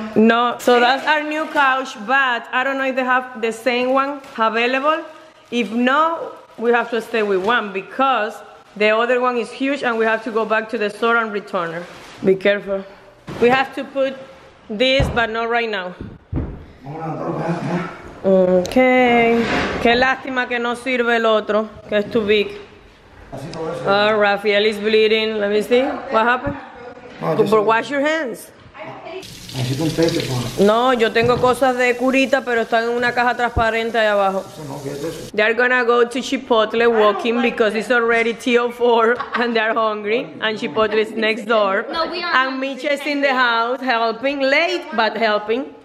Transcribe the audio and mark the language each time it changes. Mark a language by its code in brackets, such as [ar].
[en] No, so that's our new couch, but I don't know if they have the same one available. If no, we have to stay with one because the other one is huge and we have to go back to the store and return her. Be careful. We have to put this, but not right now. Okay. [es] Qué lástima que no sirve el otro, que es [en] too big. Oh, Rafael is bleeding. Let me see. What happened? Oh, but wash your hands. [es] No, yo tengo cosas de curita, pero están en una caja transparente allá abajo. [en] They're gonna go to Chipotle walking like because it's already 10:04 and they're hungry. And Chipotle is next door. No, we are. And Mitch is in the house helping late, but helping.